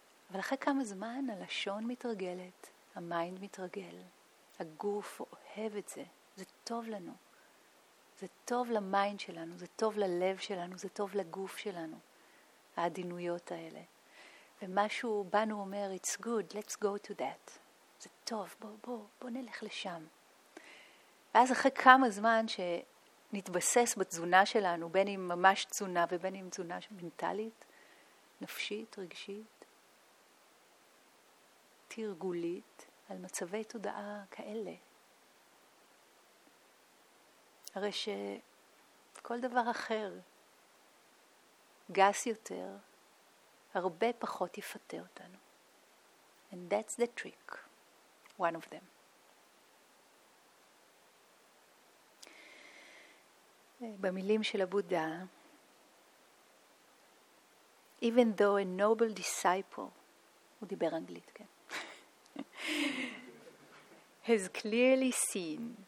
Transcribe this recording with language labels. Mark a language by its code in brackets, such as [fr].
[he] אבל אחרי כמה זמן הלשון מתרגלת, המיינד מתרגל, הגוף אוהב את זה, זה טוב לנו. זה טוב למיינד שלנו, זה טוב ללב שלנו, זה טוב לגוף שלנו, העדינויות האלה. ומשהו בנו אומר, [en] it's good, let's go to that. [he] זה טוב, בוא נלך לשם. ואז אחרי כמה זמן שנתבסס בתזונה שלנו, בין אם ממש תזונה ובין אם תזונה מנטלית, נפשית, רגשית, תרגולית, על מצבי תודעה כאלה. הרי שכל דבר אחר, גס יותר, הרבה פחות יפתה אותנו. [en] And that's the trick, one of them. [he] במילים של הבודה, [en] even though a noble disciple, [he] הוא דיבר אנגלית, כן, [en] has clearly seen